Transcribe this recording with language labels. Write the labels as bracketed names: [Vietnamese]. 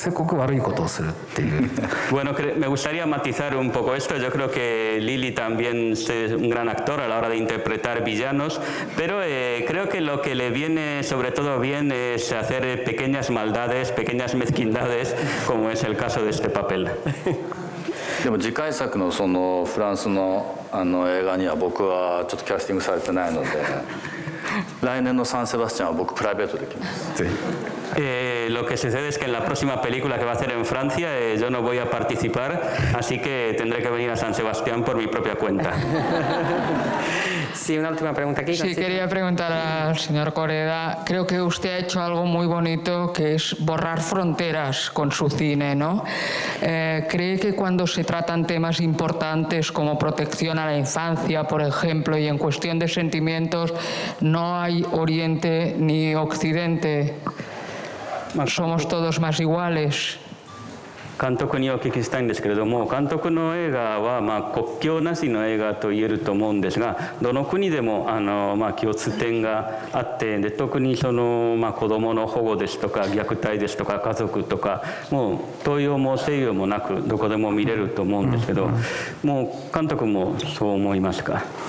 [Spanish] Bueno, me gustaría matizar un poco esto. Yo creo que Lili también es un gran actor a la hora de interpretar villanos, pero creo que lo que le viene sobre todo bien es hacer pequeñas maldades, pequeñas mezquindades, como es el caso de este papel. [Japanese] でも次回作のそのフランスのあの映画には僕はちょっとキャスティングされてないので来年のサンセバスチャンは僕プライベートで来ます。 [Spanish] 是lo que sucede es que en la próxima película que va a hacer en Francia yo no voy a participar, así que tendré que venir a San Sebastián por mi propia cuenta. Sí, una última pregunta aquí. Sí, consigo. Quería preguntar al señor Coreda. Creo que usted ha hecho algo muy bonito, que es borrar fronteras con su cine, ¿no? ¿Cree que cuando se tratan temas importantes como protección a la infancia, por ejemplo, y en cuestión de sentimientos, no hay Oriente ni Occidente? Somos todos más iguales. [Japanese] 監督にお聞きしたいんですけれども、監督の映画はまあ国境なしの映画と言えると思うんですが、どの国でもあのまあ共通点があって、で特にそのまあ子どもの保護ですとか虐待ですとか家族とか、もう東洋も西洋もなくどこでも見れると思うんですけど、もう監督もそう思いますか？